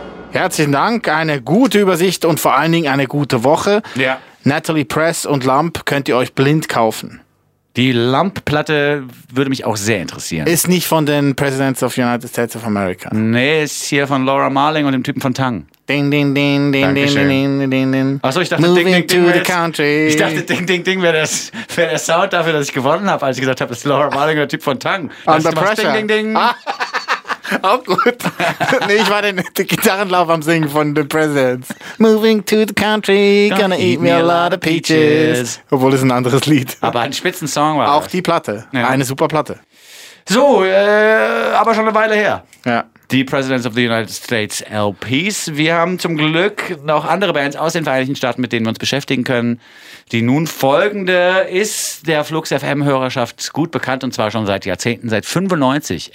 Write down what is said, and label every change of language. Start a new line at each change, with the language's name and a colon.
German: Herzlichen Dank, eine gute Übersicht und vor allen Dingen eine gute Woche. Ja. Natalie Press und Lump könnt ihr euch blind kaufen. Die Lump-Platte würde mich auch sehr interessieren. Ist nicht von den Presidents of United States of America. Nee, ist hier von Laura Marling und dem Typen von Tang. Ding, ding, ding, ding, ding, ding, ding, ding, ding, ding. Achso, ich dachte, ding, ding, ding, ich dachte, ding, ding, ding wäre der Sound dafür, dass ich gewonnen habe, als ich gesagt habe, das ist Laura Marling und der Typ von Tang.
English: Under Pressure. Ding, ding, ding.
German: Auch gut. Nee, ich war den Gitarrenlauf am Singen von The Presidents.
English: Moving to the country, gonna eat me a lot of peaches.
German: Obwohl, es ein anderes Lied. Aber ein Spitzensong war auch das. Die Platte. Ja. Eine super Platte. So, aber schon eine Weile her. Ja. Die Presidents of the United States LPs. Wir haben zum Glück noch andere Bands aus den Vereinigten Staaten, mit denen wir uns beschäftigen können. Die nun folgende ist der Flux-FM-Hörerschaft gut bekannt, und zwar schon seit Jahrzehnten, seit 95.